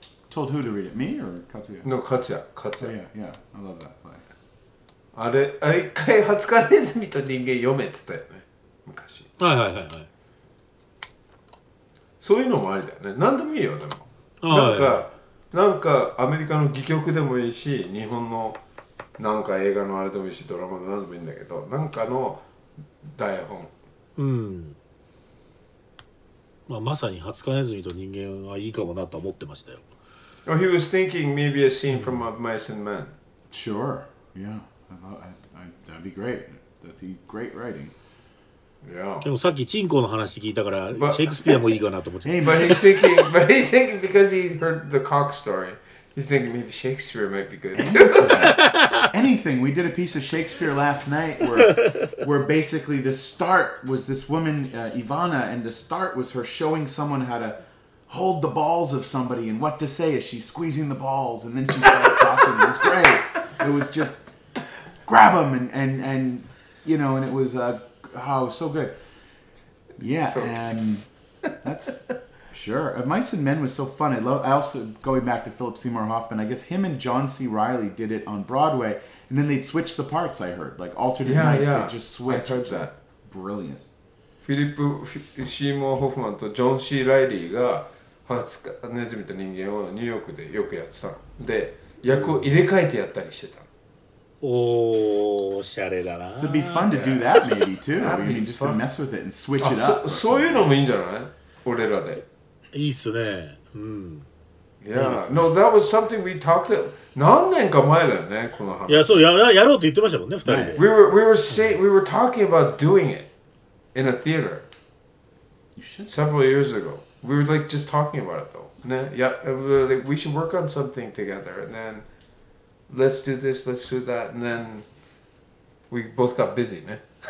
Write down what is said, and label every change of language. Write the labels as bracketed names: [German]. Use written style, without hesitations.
[English] Told who to read it, me or Katsuya? No, Katsuya. Oh, yeah, I love that play. [Japanese] あれ、一回ハツカネズミと人間読めって言ったよね、昔。はいはいはいはい。そういうのもありだよね。何でもいいよ、でも。なんか、はい、なんかアメリカの戯曲でもいいし、日本のなんか映画のあれでもいいし、ドラマで何でもいいんだけど、なんかの台本。まあ、まさにハツカネズミと人間はいいかもなと思ってましたよ。 [English] Oh, he was thinking maybe a scene from Of Mice and Men. Sure, yeah. That'd be great. That's great writing. Yeah. [Japanese] でもさっきチンコの話聞いたから、シェイクスピアもいいかなと思って。 [English] But he's thinking, because he heard the cock story, he's thinking maybe Shakespeare might be good. Anything. We did a piece of Shakespeare last night where basically the start was this woman, Ivana, and the start was her showing someone how to hold the balls of somebody and what to say as she's squeezing the balls, and then she starts talking. It was great. It was just grab them and you know, and it was so good. Yeah, so, and that's sure. Mice and Men was so fun. I also, going back to Philip Seymour Hoffman, I guess him and John C. Reilly did it on Broadway, and then they'd switch the parts, I heard. Like, alternate nights, yeah. They'd just switch. I heard that. Brilliant. Philip Seymour Hoffman and John C. Reilly were doing Nezumi and Ningen in New York. And they were doing the roles and changing the roles. Oh, shade だな. So it'd be fun to do that, maybe, too. I mean, just to mess with it and switch it up. [Japanese] そういうのもいいんじゃない？俺らで。いいっすね。うん。 [English] Yeah. No, that was something we talked about. [Japanese] 何年か前だよね、この話。いや、そう、やろうって言ってましたもんね、二人で。 [English] We were talking about doing it in a theater. You should. Several years ago. We were like just talking about it though. ね、yeah, we should work on something together. And then, let's do this, let's do that. And then, we both got busy, ね。